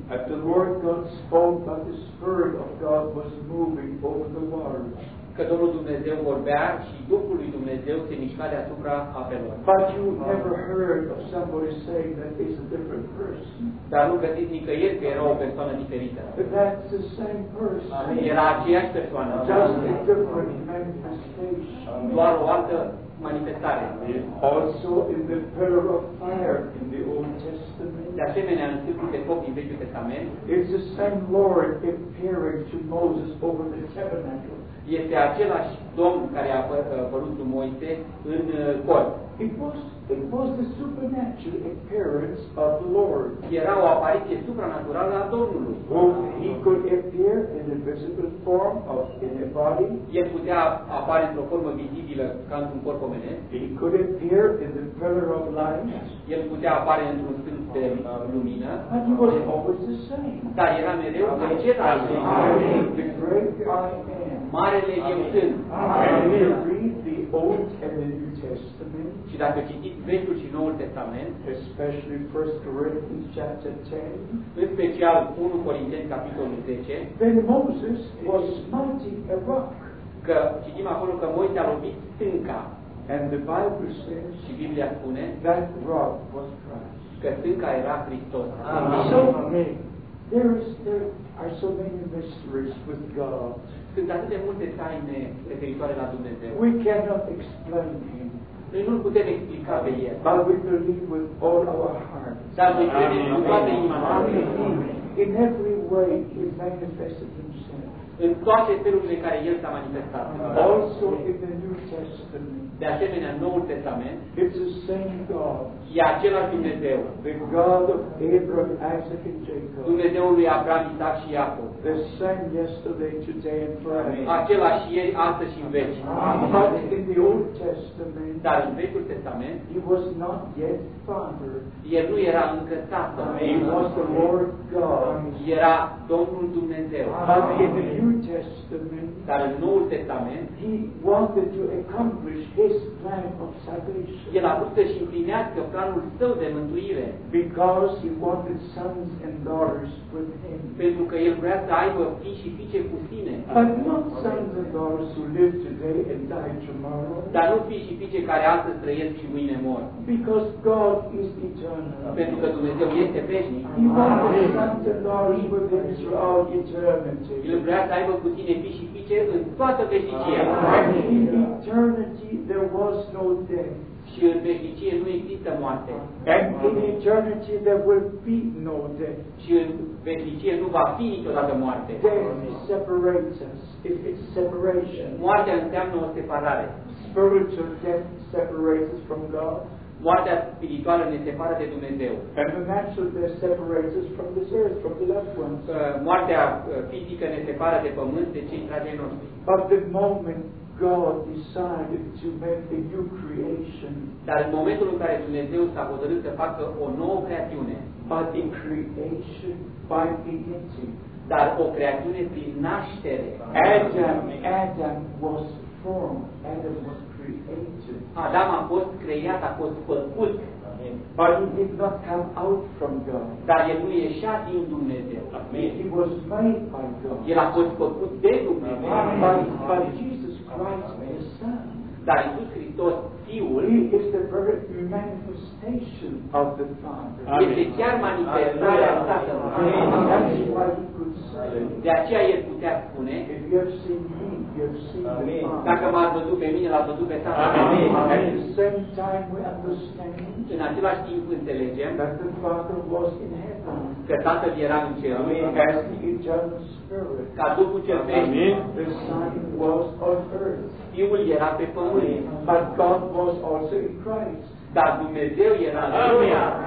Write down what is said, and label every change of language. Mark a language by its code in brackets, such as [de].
[en] at the Lord God spoke, but the Spirit of God was moving over the waters. [ro] Că Domnul Dumnezeu vorbea și Duhul lui Dumnezeu se mișca deasupra apelor. [en] But you never heard of somebody saying that he's a different person. [ro] Dar nu găsiți nicăieri că era o persoană diferită. [en] But that's the same person. [ro] Era aceeași persoană. [en] Just a different manifestation. [ro] Doar o altă manifestare. [en] Also in the pillar of fire in the Old Testament. [ro] De asemenea, în stâlpul de foc din Vechiul Testament. [en] It's the same Lord appearing to Moses over the tabernacle. [ro] Este același Domn care a apărut lui Moise în cort. [en] It was the supernatural appearance of the Lord. [ro] Era o apariție supranaturală a Domnului. [en] He could appear in a visible form of in a body. [ro] El putea apare într-o formă vizibilă ca într-un corp omenesc. [en] He could appear in the pillar of light. [ro] El putea apare într-un stâlp de lumină. [en] But he was always the same. [ro] Dar era mereu același. [en] The great I am. [ro] Marele Eu Sunt. [en] And you read the Old and the New Testament. [ro] Și dacă citiți Vechiul și Noul Testament, [en] especially 1 Corinthians chapter 10, [ro] în special 1 Corinteni capitolul 10, [en] then Moses was smiting a rock. [ro] Că citim acolo că Moise a lovit stânca. [en] And the Bible says, [ro] și Biblia spune, [en] that rock was Christ. [ro] Că stânca era Hristos. [en] Amen. So, there are so many mysteries with God. [ro] Sunt atât de multe taine referitoare la Dumnezeu. [en] We cannot explain him. [ro] Noi nu-l putem explica pe el. [en] But we believe with all our hearts. [ro] Dar noi credem cu toată inima. [en] In every way he manifested himself. [ro] În toate felurile care el s-a manifestat. [en] Also in the New Testament. [ro] De asemenea, Noul Testament. [en] It's the same God. [ro] E același Dumnezeu. [en] The God of Abraham, Isaac and Jacob. [ro] Dumnezeul lui Abraham, Isaac și Iacob. [en] The same yesterday, today and forever. [ro] Același ieri, astăzi și în veci. [en] But in the Old Testament. [ro] Dar în Vechiul Testament. [en] He was not yet Father. [ro] El nu era încă Tată. [en] He was the Lord God. [ro] Era Domnul Dumnezeu. [en] Amen. [ro] Dar în Noul Testament, [en] he wanted to accomplish his plan of salvation. [ro] El a vrut să-și împlinească planul său de mântuire. [en] Because he wanted sons and daughters with him. [ro] Pentru că el vrea să aibă fii și fiice cu sine. [en] But not sons and daughters who live today and die tomorrow. [ro] Dar nu fii și fiice care astăzi trăiesc și mâine mor. [en] Because God is eternal. [ro] Pentru că Dumnezeu este veșnic. [en] He wanted sons and daughters with him throughout eternity. [ro] Vrea să aibă cu tine fii și fiice în toată veșnicia. [en] In eternity there was no death. [ro] Și în veșnicie nu există moarte. [en] And in eternity there will be no death. [ro] Și în veșnicie nu va fi niciodată moarte. [en] Death separates us. If it's separation. [ro] Moartea înseamnă o separare. [en] Spiritual death separates us from God. [ro] Moartea spirituală ne separă de Dumnezeu. [en] And the natural death separates us from this earth, from the loved ones. [ro] Moartea fizică ne separă de pământ, de cei dragi noștri. [en] But the moment God decided to make a new creation. [ro] Dar în momentul în care Dumnezeu s-a hotărât să facă o nouă creațiune. [en] But the creation by beginning. [ro] Dar o creațiune prin naștere. [en] Adam was formed. Adam was [ro] Adam a fost creat, a fost făcut. [en] But he did not come out from God. [ro] Dar el nu ieșea din Dumnezeu. [en] Amen. He was made by God. [ro] El a fost făcut de Dumnezeu. [en] But Jesus Christ, the Son. [ro] Dar Iisus Hristos, Fiul, [en] he is the very manifestation of the Father. [ro] Este chiar manifestarea Tatălui. [en] That's why he could say. [ro] De aceea el putea spune. [en] If you have seen me, you have seen the Father. [ro] Dacă m-a văzut pe mine, l-a văzut pe Tatăl. [en] At the same time we understand. [ro] În același timp înțelegem. [en] That the Father was in heaven. [ro] Că Tatăl era în cer. [en] As the eternal Spirit. [ro] Ca Duhul cel veșnic. [en] The Son was on earth. [ro] Fiul era pe pământ. [en] But God was also in Christ. [ro] Dar Dumnezeu era în lumea.